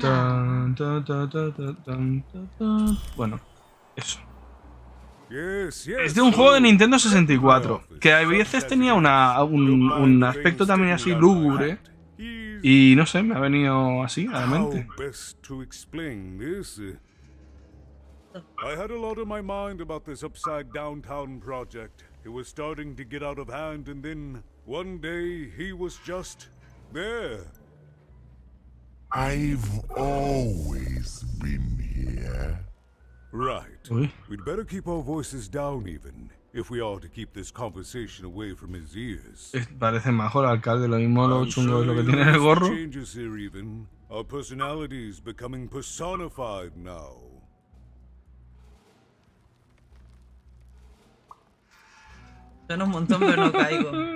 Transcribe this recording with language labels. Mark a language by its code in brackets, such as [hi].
[en] Tan, ta, ta, ta, ta, tan, ta, ta. Bueno, eso. Yes, yes, [es] es de un juego de Nintendo 64, que a veces tenía un aspecto también así lúgubre. Y no sé, me ha venido así a la mente. [en] How best to explain this? I had a lot on my mind about this upside downtown project. It was starting to get out of hand, and then one day he was just there. I've always been here. Right. Uy. We'd better keep our voices down, even if we are to keep this conversation away from his ears. [es] Parece mejor alcalde, lo mismo lo chungo es lo que tiene en el gorro. [en] Changes here even. Our personality is becoming personified now. [es] Suena un montón, pero no caigo.